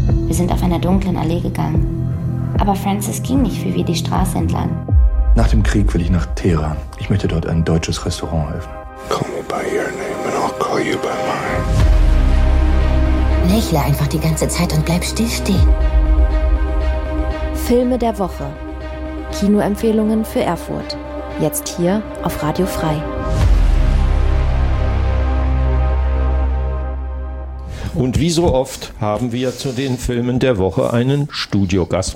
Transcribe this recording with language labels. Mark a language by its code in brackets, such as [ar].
[de] Sind auf einer dunklen Allee gegangen. Aber Francis ging nicht wie wir die Straße entlang. Nach dem Krieg will ich nach Teheran. Ich möchte dort ein deutsches Restaurant eröffnen. [en] Call me by your name and I'll call you by mine. [de] Lächle einfach die ganze Zeit und bleib stillstehen. Filme der Woche. Kinoempfehlungen für Erfurt. Jetzt hier auf Radio Frei. Und wie so oft haben wir zu den Filmen der Woche einen Studiogast.